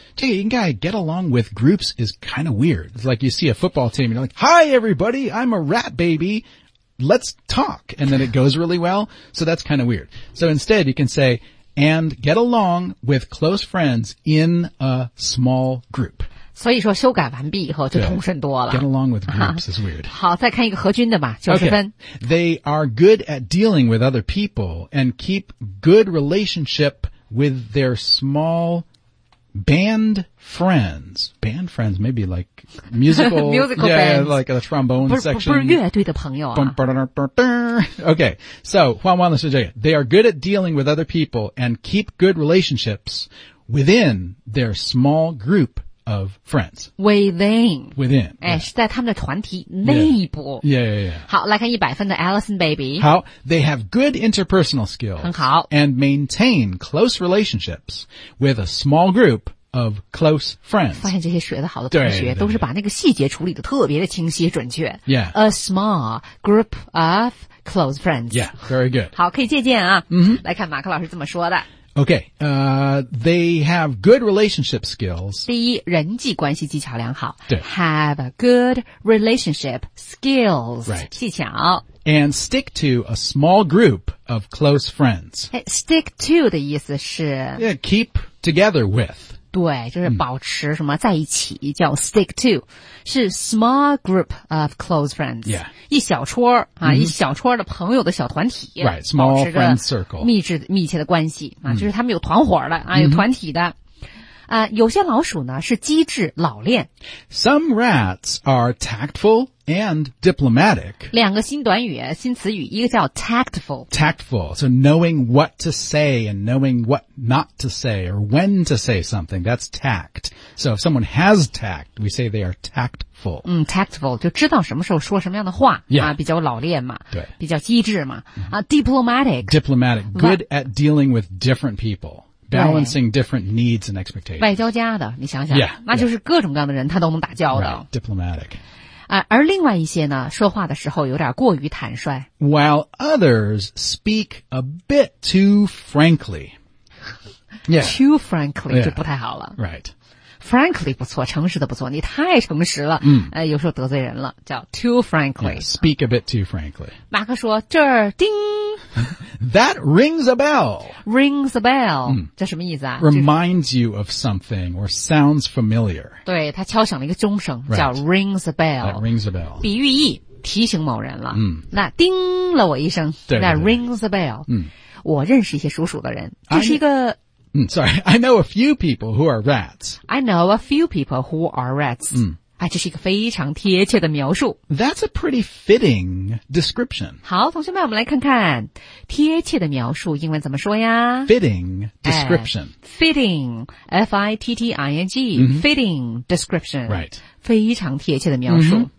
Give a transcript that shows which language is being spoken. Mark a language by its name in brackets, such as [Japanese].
[Chinese] 这个应该 [English] get along with groups is kind of weird. It's like you see a football team, you're like, hi everybody, I'm a rat baby. Let's talk. And then it goes really well. So that's kind of weird. So instead you can say, and get along with close friends in a small group. [Chinese] 所以说修改完毕以后就通顺多了。 [English] Get along with groups is weird. [Chinese] 好，再看一个和均的吧，90分。 [English] Okay. They are good at dealing with other people and keep good relationship with their small band friends. Band friends, maybe like musical. musical yeah, bands. Yeah, like a trombone section. [Chinese] 不是乐队的朋友啊。 [English] Okay, so, [Chinese] 换完了是这个。 [English] They are good at dealing with other people and keep good relationships within their small group. Of friends. Within. [Chinese] 哎、是在他们的团体内部。 [English] Yeah, yeah, yeah. yeah. [Chinese] 好来看100分的 Allison Baby. 好 [English] they have good interpersonal skills. [Chinese] 很好。 [English] And maintain close relationships with a small group of close friends. [Chinese] 发现这些学的好的同学都是把那个细节处理的特别的清晰准确。 [English] Yeah. A small group of close friends. Yeah, very good. [Chinese] 好可以借鉴啊。 Mm-hmm. 来看马克老师怎么说的。 [English] Okay, they have good relationship skills. [Chinese] 第一，人际关系技巧良好。对。 [English] Have a good relationship skills. Right. [Chinese] 技巧。 [English] And stick to a small group of close friends. Stick to [Chinese] 的意思是。 [English] Yeah, keep together with. [Chinese] 对，就是保持什么在一起叫 [English] stick to. [Chinese] 是 [English] small group of close friends. Yeah. [Chinese] 一小撮啊、mm-hmm. 一小撮的朋友的小团体。 [English] Right, small friend circle. [Chinese] 密切的关系啊、mm-hmm. 就是他们有团伙的啊有团体的。Mm-hmm. 有些老鼠呢是机智老练。 [English] Some rats are tactful and diplomatic. [Chinese] 两个新短语新词语一个叫 tactful. [English] Tactful, so knowing what to say and knowing what not to say or when to say something, that's tact. So if someone has tact, we say they are tactful. Tactful, [Chinese] 就知道什么时候说什么样的话、 [English] yeah. [Chinese] 啊、比较老练嘛对比较机智嘛、mm-hmm. 啊、Diplomatic [English] Diplomatic, good at dealing with different people Balancing different needs and expectations [Chinese] 外交家的你想想 [English] yeah, [Chinese] 那就是各种各样的人他都能打交道、 [English] right. Diplomatic、 [Chinese] 啊、而另外一些呢说话的时候有点过于坦率 [English] While others speak a bit too frankly、yeah. Too frankly、yeah. [Chinese] 就不太好了 [English] Right Frankly [Chinese] 不错诚实的不错你太诚实了、有时候得罪人了叫 [English] too frankly yeah, Speak a bit too frankly [Chinese] 马克说这儿叮 [English] That rings a bell Rings a bell、 [Chinese] 这什么意思啊 [English] Reminds、 [Chinese] 就是、 [English] you of something or sounds familiar [Chinese] 对他敲响了一个钟声、 [English] right. [Chinese] 叫 [English] rings a bell That rings a bell [Chinese] 比喻意提醒某人了、那叮了我一声对对对 [English] That rings a bell、 [Chinese] 我认识一些属鼠的人这是一个 [English] Sorry, I know a few people who are rats. I know a few people who are rats. [Chinese] 这是一个非常贴切的描述。 [English] That's a pretty fitting description. [Chinese] 好，同学们，我们来看看贴切的描述英文怎么说呀 [English] ？Fitting description. Fitting, F-I-T-T-I-N-G,、fitting description. Right. [Chinese] 非常贴切的描述。